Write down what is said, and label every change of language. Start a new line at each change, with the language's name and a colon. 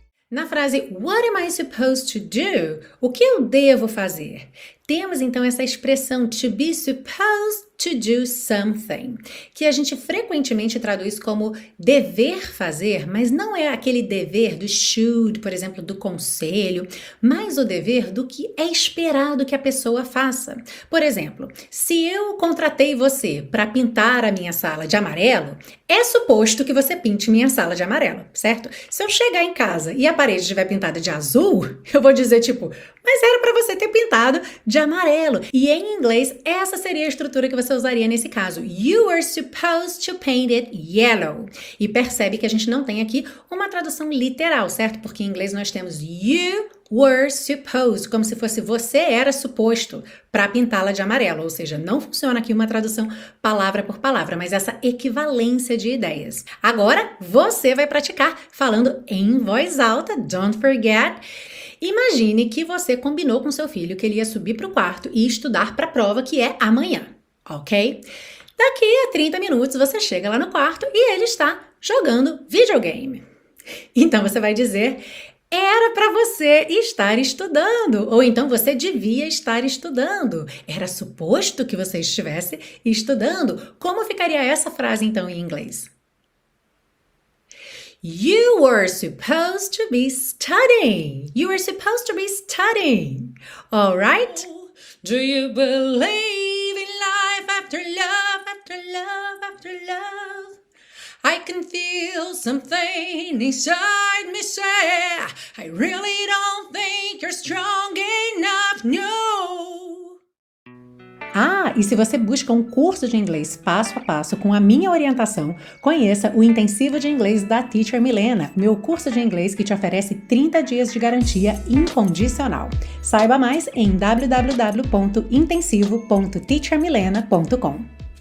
Portuguese: Na frase
English: What am I supposed to do?
Portuguese: O que eu devo fazer? Temos então essa expressão
English: to be supposed to do something,
Portuguese: que a gente frequentemente traduz como dever fazer, mas não é aquele dever do should, por exemplo, do conselho, mas o dever do que é esperado que a pessoa faça. Por exemplo, se eu contratei você para pintar a minha sala de amarelo, é suposto que você pinte minha sala de amarelo, certo? Se eu chegar em casa e a parede estiver pintada de azul, eu vou dizer tipo, mas era para você ter pintado de amarelo. E em inglês, essa seria a estrutura que você usaria nesse caso.
English: You were supposed to paint it yellow.
Portuguese: E percebe que a gente não tem aqui uma tradução literal, certo? Porque em inglês nós temos
English: you were supposed,
Portuguese: como se fosse você era suposto para pintá-la de amarelo. Ou seja, não funciona aqui uma tradução palavra por palavra, mas essa equivalência de ideias. Agora, você vai praticar falando em voz alta,
English: don't forget.
Portuguese: Imagine que você combinou com seu filho que ele ia subir para o quarto e estudar para a prova que é amanhã, ok? Daqui a 30 minutos você chega lá no quarto e ele está jogando videogame. Então você vai dizer, era para você estar estudando, ou então você devia estar estudando. Era suposto que você estivesse estudando. Como ficaria essa frase então em inglês?
English: You were supposed to be studying. You were supposed to be studying. All right? Do you believe in life after love, after love, after love? I can feel something inside me say, I really don't think you're strong enough, no.
Portuguese: Ah, e se você busca um curso de inglês passo a passo com a minha orientação, conheça o Intensivo de Inglês da Teacher Milena, meu curso de inglês que te oferece 30 dias de garantia incondicional. Saiba mais em www.intensivo.teachermilena.com.